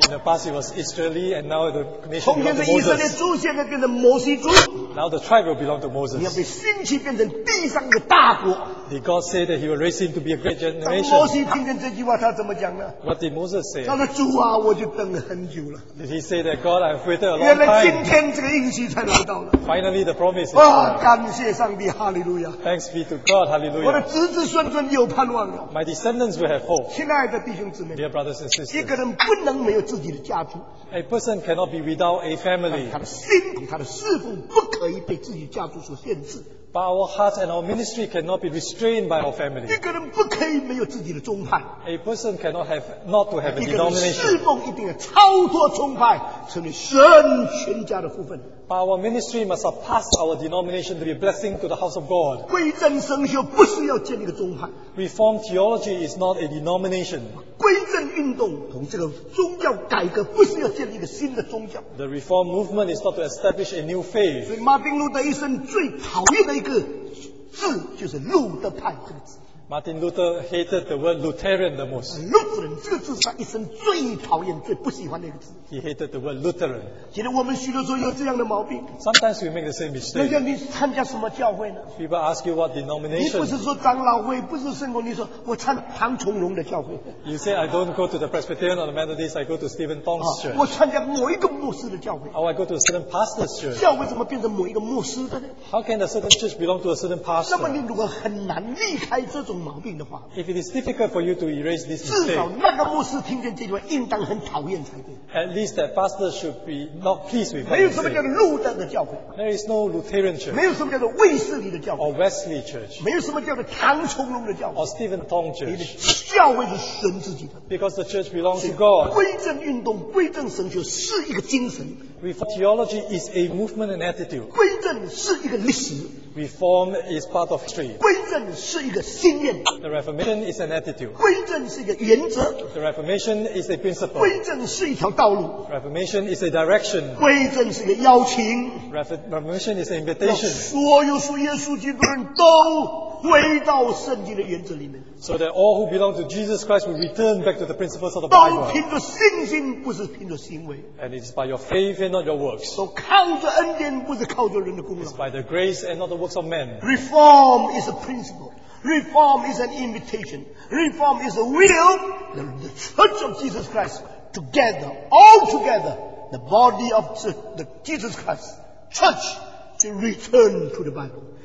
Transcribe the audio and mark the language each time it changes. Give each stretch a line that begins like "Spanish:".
English: In the past it was Israeli, and now the nation belongs to
Chinese: Moses. 从前是以色列族，现在变成摩西族。
English: Now the tribe will belong to Moses.
Chinese: 你要被兴起变成地上的大国。
English: Did God say that He will raise him to be a great generation?
Chinese: 当摩西听见这句话，他怎么讲呢？
English: What did Moses say?
Chinese: 他说：“主啊，我就等了很久了。”
English: Did he say that God, I've waited a long time?
Chinese: 原来今天这个应许才来到了。
English: Finally, the promise.
Chinese: 啊，感谢上帝，哈利路亚。
English: Thanks be to God, hallelujah.
Chinese: 我的子子孙孙有盼望了。
English: My descendants will have hope.
Chinese: 亲爱的弟兄姊妹，
English: dear brothers and sisters,
Chinese: 一个人不能没有自己的家庭。
English: A person cannot be without a family.
Chinese: 他的心和他的侍奉不可以被自己家族所限制。
English: But our hearts and our ministry cannot be restrained by our family.
Chinese: 一个人不可以没有自己的宗派。
English: A person cannot have not to have a denomination.
Chinese: 一个人侍奉一定要超脱宗派，成为神全家的福分。
English: But our ministry must surpass our denomination to be a blessing to the house of God.
Chinese: 归正神学不是要建立个宗派。
English: Reformed theology is not a denomination.
Chinese: 归正运动同这个宗教改革不是要建立一个新的宗教。
English: The reform movement is not to establish a new faith.
Chinese: 所以马丁路德一生最讨厌的一个字就是路德派这个字。
English: Martin Luther hated the word Lutheran the most.
Chinese: Lutheran 这个字是他一生最讨厌、最不喜欢的一个字。
English: He hated the word Lutheran.
Chinese: 今天我们许多时候有这样的毛病。
English: Sometimes we make the same mistake.
Chinese: 人家你参加什么教会呢
English: ？People ask you what denomination.
Chinese: 你不是说长老会，不是圣公，你说我参庞崇荣的教会。
English: You say I don't go to the Presbyterian or the Methodist. I go to Stephen Tong's church.
Chinese: 我参加某一个牧师的教会。
English: Oh, I go to a certain pastor's church.
Chinese: 教会怎么变成某一个牧师的呢
English: ？How can a certain church belong to a certain pastor？
Chinese: 那么你如果很难离开这种。毛病的话
English: if it is difficult for you to erase this mistake,
Chinese: 至少那个牧师听见这句话应当很讨厌才对
English: at least that pastor should be not pleased with
Chinese: 没有什么叫路德的教会
English: there is no Lutheran church
Chinese: 没有什么叫做卫斯理的教会
English: or Wesley church
Chinese: 没有什么叫做唐崇荣的教会
English: or Stephen Tong church
Chinese: 教会是神自己的
English: because the church belongs to God
Chinese: 归正运动归正神学是一个精神
English: Reform theology is a movement and attitude
Chinese: 归正是一个历史
English: Reform is part of history.
Chinese: 归正是一个信念。
English: The Reformation is an attitude.
Chinese: 归正是一个原则。
English: The Reformation is a principle.
Chinese: 归正是一条道路。
English: Reformation is a direction.
Chinese: 归正是一个邀请。
English: Reformation is an invitation.
Chinese: 所有属耶稣基督的人都归到圣经的原则里面。
English: So that all who belong to Jesus Christ will return back to the principles of the Bible.
Chinese: 都凭着信心，不是凭着行为。
English: And it's by your faith and not your works.
Chinese: 都靠着恩典，不是靠着人的功劳。
English: It's by the grace and not the works of men. Reform is a principle. Reform is an invitation. Reform is a will. The Church of Jesus Christ, together, all together, the body of the Jesus Christ Church, to return to the Bible.